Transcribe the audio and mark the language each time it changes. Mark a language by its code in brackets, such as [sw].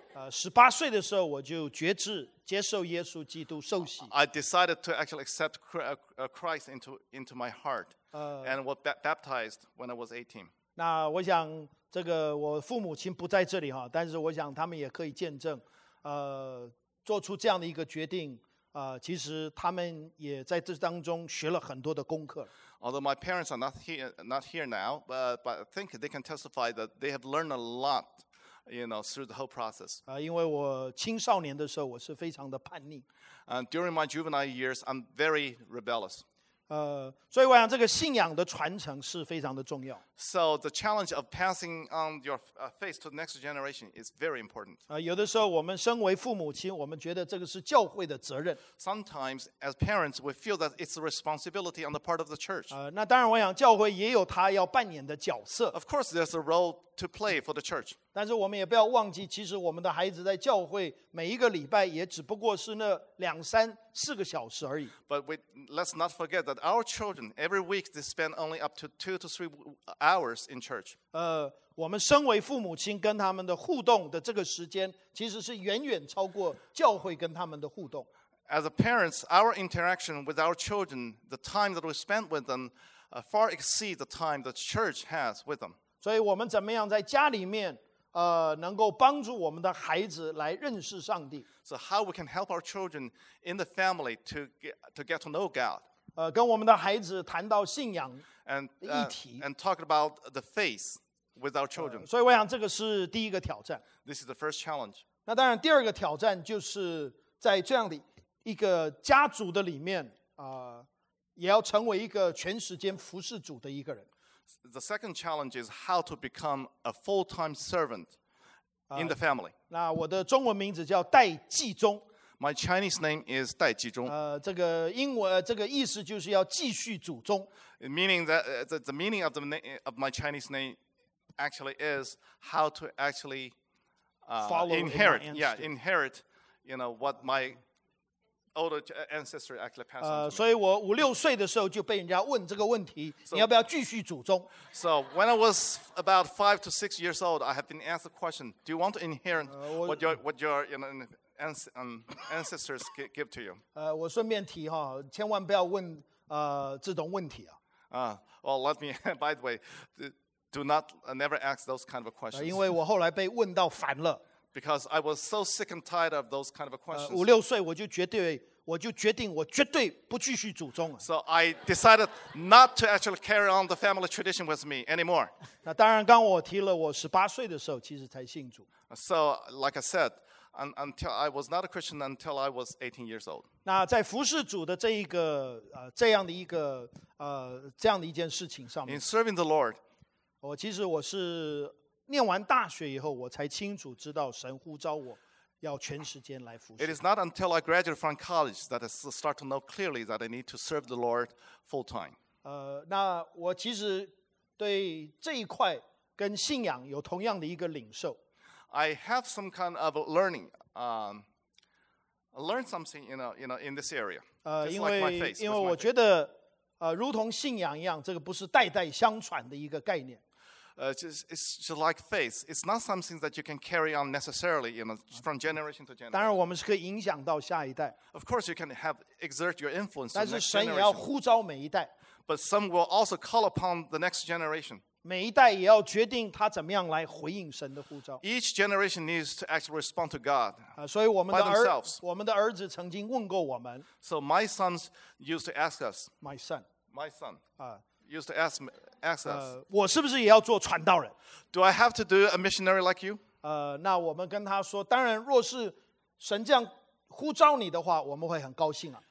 [zh] 十八岁的时候我就决志接受耶稣基督受洗。 [en] I decided to actually accept Christ into my heart, and was baptized when I was 18. [zh] 那我想这个我父母亲不在这里哈，但是我想他们也可以见证，做出这样的一个决定，其实他们也在这当中学了很多的功课。 [en] Although my parents are not here now, but I think they can testify that they have learned a lot. Through the whole process. [zh] 因为我青少年的时候，我是非常的叛逆。 [en] During my juvenile years, I'm very rebellious. [zh] 所以我想这个信仰的传承是非常的重要。 [en] So the challenge of passing on your faith to the next generation is very important. [zh] 有的时候我们身为父母亲，我们觉得这个是教会的责任。 [en] Sometimes as parents, we feel that it's a responsibility on the part of the church. [zh] 那当然，我想教会也有他要扮演的角色。 [en] Of course, there's a role to play for the church. [zh] 但是我们也不要忘记，其实我们的孩子在教会每一个礼拜也只不过是那两三四个小时而已。 [en] But let's not forget that our children every week they spend only up to 2 to 3 hours in church. [zh] 我们身为父母亲跟他们的互动的这个时间，其实是远远超过教会跟他们的互动。 [en] As parents, our interaction with our children, the time that we spend with them, far exceeds the time the church has with them. [zh] 所以我们怎么样在家里面，能够帮助我们的孩子来认识上帝 [en] ？So how we can help our children in the family to get to know God？ [zh] 跟我们的孩子谈到信仰。 [en] And talk about the faith with our children. [zh] 所以我想这个是第一个挑战。 [en] This is the first challenge. [zh] 那当然，第二个挑战就是在这样的一个家族的里面，也要成为一个全时间服侍主的一个人。 [en] The second challenge is how to become a full-time servant in the family. [zh] 那我的中文名字叫戴季中。 [en] My Chinese name is 戴季中。 [zh] 这个英文这个意思就是要继续祖宗。 [en] Meaning that the meaning of the of my Chinese name actually is how to actually inherit, inherit, what my older ancestor actually passed on. [zh] 所以我五六岁的时候就被人家问这个问题， so, 你要不要继续祖宗 [en] ？So when I was about 5 to 6 years old, I have been asked the question, "Do you want to inherit what your ancestors give to you?" [zh] 我顺便提哈，千万不要问这种问题啊。 [en] By the way, do not never ask those kind of questions. [zh] 因为我后来被问到烦了。 [en] Because I was so sick and tired of those kind of questions. [zh] 五六岁我就决定我绝对不继续祖宗了。 [en] So I decided not to actually carry on the family tradition with me anymore. [zh] 那当然，刚我提了，我十八岁的时候其实才信主。 [en] So like I said, until I was not a Christian until I was 18 years old. [zh] 那在服侍主的这一个这样的一个这样的一件事情上面 [en] ，In serving the Lord， [zh] 我是念完大学以后，我才清楚知道神呼召我要全时间来服侍。 [en] It is not until I graduated from college that I start to know clearly that I need to serve the Lord full time. [zh] 那我其实对这一块跟信仰有同样的一个领受。 [en] I have some kind of learning. Learn something, in this area. Just like my faith. [zh] 因为我觉得如同信仰一样，这个不是代代相传的一个概念。 [en] It's like faith. It's not something that you can carry on necessarily, you know, from generation to generation. [zh] 当然，我们是可以影响到下一代。 [en] Of course, you can have exert your influence. [zh] 但是神也要呼召每一代。 [en] But some will also call upon the next generation. [zh] 每一代也要决定他怎么样来回应神的呼召。 [en] Each generation needs to actually respond to God. [zh] 所以我们的儿，我们的儿子曾经问过我们。 [en] So my sons used to ask us. My son. Used to ask me. [zh] 我是不是也要做传道人 [en] ？Do I have to do a missionary like you？ [zh] 那我们跟他说，当然，若是神这样呼召你的话，我们会很高兴啊。